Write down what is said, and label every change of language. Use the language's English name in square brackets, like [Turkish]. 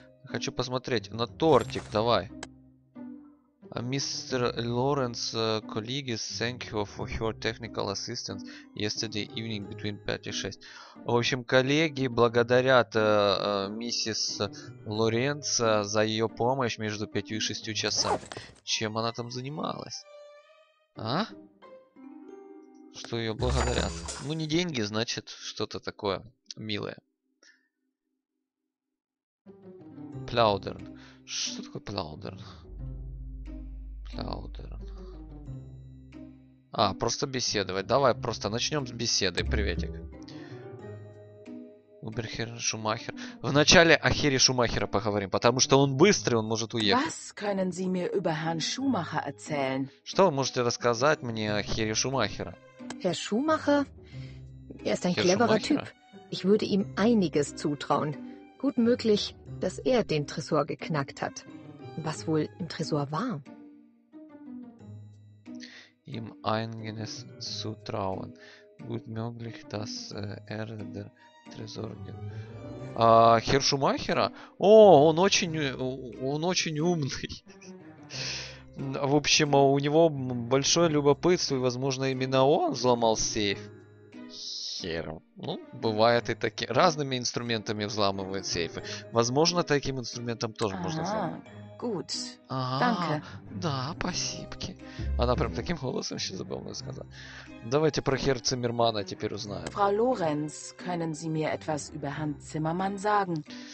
[Russian] Хочу посмотреть на тортик, давай. Мистер Лоренс, коллеги, [English] thank you for your technical assistance yesterday evening between 5 и 6. [Russian] В общем, коллеги благодарят миссис Лоренца за ее помощь между 5 и 6 часами. Чем она там занималась? А? Что ее благодарят? Ну, не деньги, значит, что-то такое милое. Плаудерн. Что такое плаудерн? Плаудерн. А, просто беседовать. Давай просто начнем с беседы. Приветик. Уберхер Шумахер. Вначале о Хере Шумахера поговорим, потому что он быстрый, он может уехать. Что вы можете рассказать мне о Хере Шумахера? [German] Хер Шумахер? Er ist ein cleverer Typ. Ich würde ihm einiges zutrauen. Gut möglich, dass den Tresor geknackt hat. Was wohl im Tresor war? Им einiges zutrauen. Gut möglich, dass der Тризор. [Russian] А Хер Шумахера? О, он очень умный. В общем, у него большое любопытство, и, возможно, именно он взломал сейф. Хер. Ну, бывает и такие. Разными инструментами взламывают сейфы. Возможно, таким инструментом тоже можно взломать. Гуд. Да, спасибо. Она прям таким голосом сейчас забавно сказала. Давайте про Хер Циммермана теперь узнаем. [German] Фрау Лоренц, können Sie mir etwas über Herrn Zimmermann sagen?